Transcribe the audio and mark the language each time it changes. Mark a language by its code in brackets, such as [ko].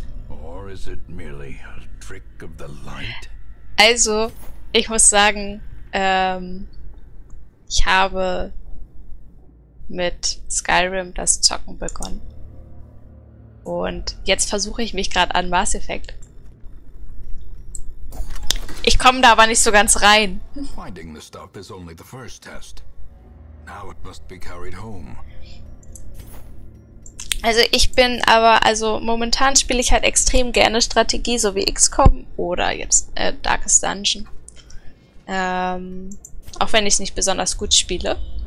[en] Or is it merely a trick of the light? [de] Also, ich muss sagen, ich habe mit Skyrim das Zocken begonnen. Und jetzt versuche ich mich gerade an Mass Effect. Ich komme da aber nicht so ganz rein. [en] Finding the stuff is only the first test. Now it must be carried home. [de] Also ich bin aber, also momentan spiele ich halt extrem gerne Strategie, so wie XCOM oder jetzt Darkest Dungeon. Auch wenn ich es nicht besonders gut spiele.